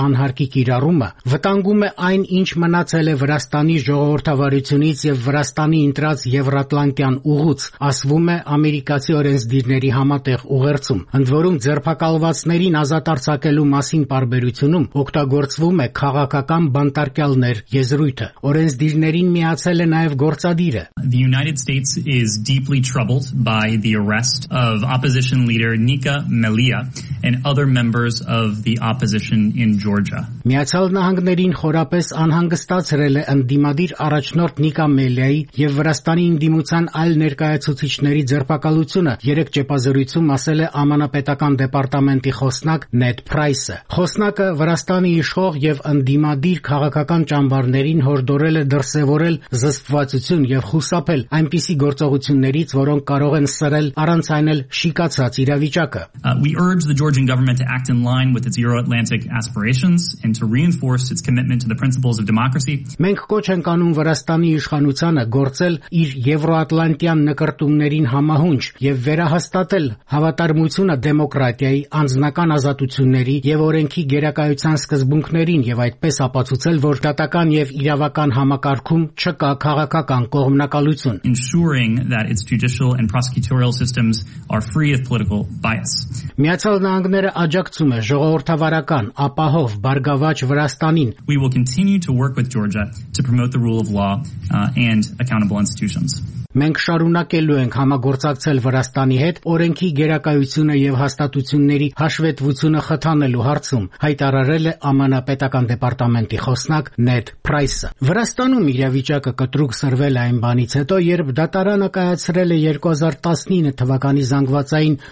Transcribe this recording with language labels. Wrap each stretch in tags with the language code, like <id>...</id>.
<hy>անհարկի կիրառումը վտանգում է այն, ինչ մնացել է Վրաստանի ժողովրդավարությունից և Վրաստանի ընտրած Եվրատլանտյան ուղուց, ասվում է ամերիկացի օրենսդիրների համատեղ ուղերձում։ Ընդ որում, ձերբակալվածներին ազատ արձակելու մասին պարբերությունում օգտագործվում է քաղաքական բանտարկյալներ եզրույթը։ Օրենսդիրներին միացել է նաև գործադիրը։</hy> <en>The United States is deeply troubled by the arrest of opposition leader Nika Melia and other members of the opposition in Georgia.</en> <hy>Միացյալ Նահանգներին խորապես անհանգստացրել է ընդդիմադիր առաջնորդ Նիկա Մելիայի և Վրաստանի ընդդիմության այլ ներկայացուցիչների ձերբակալությունը, երեք ճեպազրույցում ասել է ամանապետական դեպարտամենտի խոսնակ Նետ Փրայսը։ Խոսնակը Վրաստանի իշխող և ընդդիմադիր քաղաքական ճամբարներին հորդորել է դրսևորել զսպվածություն և խուսափել այնպիսի գործողություններից, որոնք կարող են սրել առանց այն էլ շիկացած իրավիճակը։</hy> <en>The Georgian government to act in line with its Euro-Atlantic aspirations and to reinforce its commitment to the principles of democracy.</en> <hy>Մենք կոչ ենք անում Վրաստանի իշխանությանը գործել իր Եվրոատլանտյան նկարտումներին համահունչ եւ վերահաստատել հավատարմությունը դեմոկրատիայի, անձնական ազատությունների եւ օրենքի գերակայության սկզբունքներին եւ այդպես ապացուցել, որ դատական եւ իրավական համակարգում չկա քաղաքական կողմնակալություն.</hy> <en>Ensuring that its judicial and prosecutorial systems are free of political bias.</en> <hy>Միացյալ Նահանգները աջակցում է ժողովրդավարական, ապահով, բարգավաճ Վրաստանին։</hy> <en>We will continue to work with Georgia to promote the rule of law and accountable institutions.</en> <hy>Մենք շարունակելու ենք համագործակցել Վրաստանի հետ օրենքի գերակայությունը եւ հաստատությունների հաշվետվությունը խթանելու հարցում, հայտարարել է ԱՄՆ-ական դեպարտամենտի խոսնակ Նետ Փրայսը։ Վրաստանում իրավիճակը կտրուկ սրվել այն բանից հետո, երբ դատարանը կայացրել է 2019 թվականի զանգվածային</hy>